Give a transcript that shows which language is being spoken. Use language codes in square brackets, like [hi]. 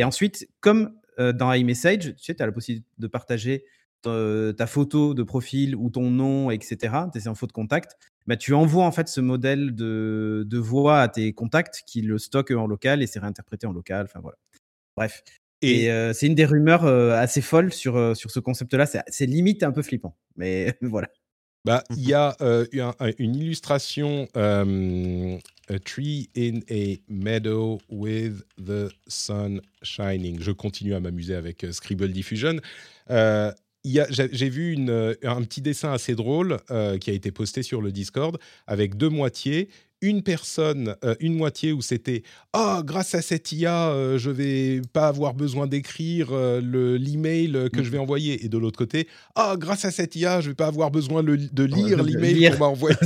[fr] Et ensuite, comme dans iMessage, tu sais, tu as la possibilité de partager ta photo de profil ou ton nom, etc., tes infos de contact, bah, tu envoies en fait ce modèle de voix à tes contacts qui le stockent en local et c'est réinterprété en local. Enfin voilà. Bref. Et c'est une des rumeurs assez folles sur ce concept-là. C'est limite un peu flippant, mais voilà. Bah, il y a une illustration. [en] A tree in a meadow with the sun shining. [fr] Je continue à m'amuser avec Scribble Diffusion. J'ai vu un petit dessin assez drôle qui a été posté sur le Discord avec deux moitiés. Une personne, une moitié où c'était « Ah, oh, grâce à cette IA, je ne vais pas avoir besoin d'écrire l'email que je vais envoyer. » Et de l'autre côté, « Ah, oh, grâce à cette IA, je ne vais pas avoir besoin de lire l'email qu'on m'a envoyé. »